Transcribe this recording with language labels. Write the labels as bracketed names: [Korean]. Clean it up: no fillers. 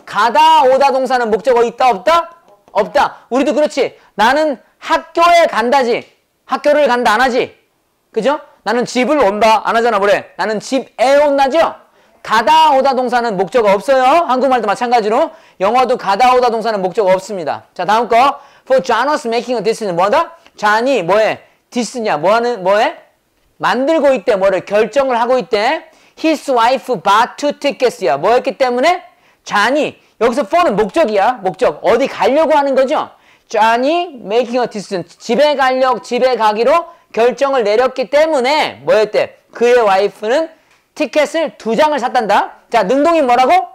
[Korean] 가다 오다 동사는 목적어 있다 없다? 없다. 우리도 그렇지. 나는 학교에 간다지. 학교를 간다 안 하지. 그죠? 나는 집을 온다 안 하잖아. 뭐래? 나는 집에 온다죠? 가다 오다 동사는 목적 없어요. 한국말도 마찬가지로 영어도 가다 오다 동사는 목적 없습니다. 자 다음 거 [English] For John was making a decision. [Korean] 뭐다? John이 뭐해? Decision이야. 뭐하는 뭐해? 만들고 있대. 뭐를 결정을 하고 있대. [English] His wife bought two tickets야. [Korean] 뭐였기 때문에 John이 여기서 for는 목적이야. 목적 어디 가려고 하는 거죠? [English] John이 making a decision. [Korean] 집에 가려고 집에 가기로 결정을 내렸기 때문에 뭐였대? 그의 와이프는 티켓을 두 장을 샀단다. 자, 능동이 뭐라고?